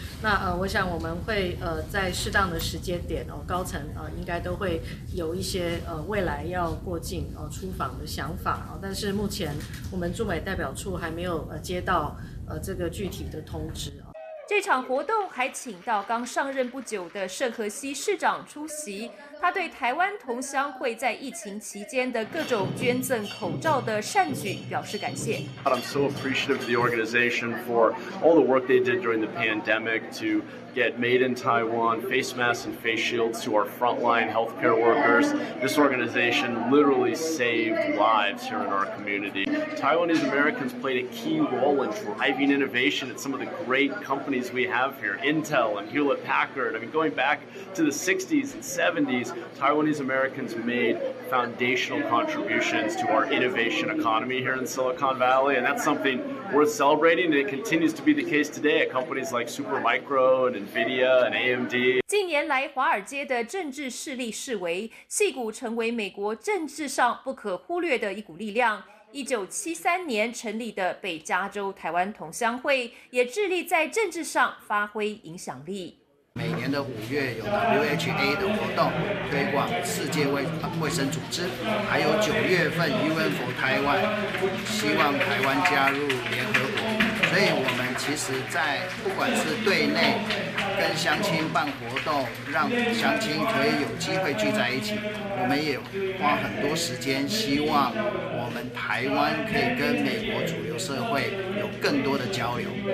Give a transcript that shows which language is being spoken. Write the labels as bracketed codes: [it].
[zh] 那我想我们会在适当的时间点高层应该都会有一些未来要过境出访的想法但是目前我们驻美代表处还没有接到这个具体的通知。这场活动还请到刚上任不久的圣荷西市长出席，他对台湾同乡会在疫情期间的各种捐赠口罩的善举表示感谢。 [en] I'm so appreciative of the organization for all the work they did during the pandemic to get made in Taiwan face masks and face shields to our frontline healthcare workers. This organization literally saved lives here in our community. Taiwanese Americans played a key role in driving innovation at some of the great companies we have here, Intel and Hewlett Packard. I mean, going back to the 60s and 70s,Taiwanese Americans made foundational contributions to our innovation economy here in Silicon Valley, and that's something worth celebrating. And it continues to be the case today at companies like Supermicro and Nvidia and AMD. [zh] 近年来，华尔街的政治势力式微，矽谷成为美国政治上不可忽略的一股力量。 1973年成立的北加州台湾同乡会，也致力在政治上发挥影响力。每年的五月有 UHA 的活动推广世界卫生组织，还有九月份 UN for Taiwan 希望台湾加入联合国，所以我们其实在不管是对内跟乡亲办活动，让乡亲可以有机会聚在一起，我们也花很多时间希望我们台湾可以跟美国主流社会有更多的交流。